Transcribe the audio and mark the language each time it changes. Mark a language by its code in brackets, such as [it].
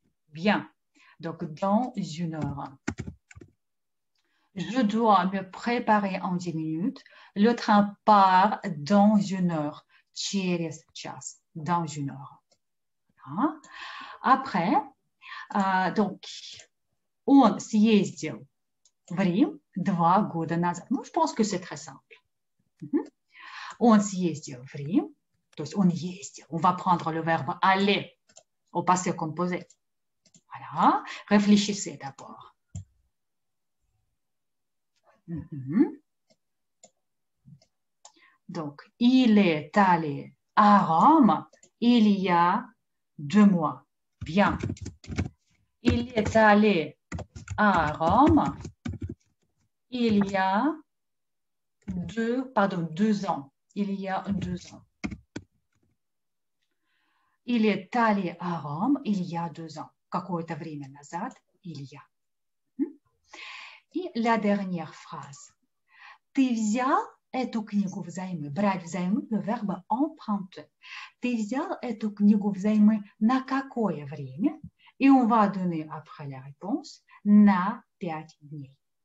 [fr] Bien. Donc, dans une heure. Je dois me préparer en 10 minutes. Le train part dans une heure. [ru] Через час. [fr] Dans une heure. Après, donc, [ru] он съездил в Рим два года назад. [fr] Ну, je pense que c'est très simple. [ru] Он съездил в Рим, то есть он ездил. [fr] On va prendre le verbe aller au passé composé. Voilà, réfléchissez d'abord. Donc, il est allé à Rome il y a 2 mois. Bien. Il est allé à Rome il y a 2 ans. Il y a 2 ans. Il est allé à Rome il y a 2 ans. [ru] Какое-то время назад [fr] il y a. Et la dernière phrase. [ru] Ты взял эту книгу взаймы. Брать взаймы, [fr] le verbe emprunter. [ru] Ты взял эту книгу взаймы на какое время? И он [fr] va donner après la réponse [ru] на 5 дней.